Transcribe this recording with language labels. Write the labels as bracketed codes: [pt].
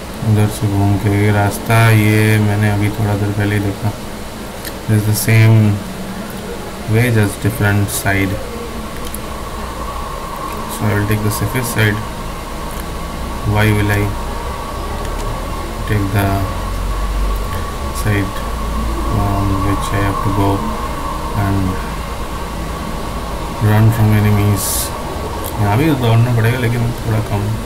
[hi] उधर से घूम के ये रास्ता, ये मैंने अभी थोड़ा देर पहले ही देखा। [en] Is the same way just different side, so I will take the safest side. Why will I take the side on which I have to go and run from enemies? [hi] यहाँ भी दौड़ना पड़ेगा लेकिन थोड़ा कम।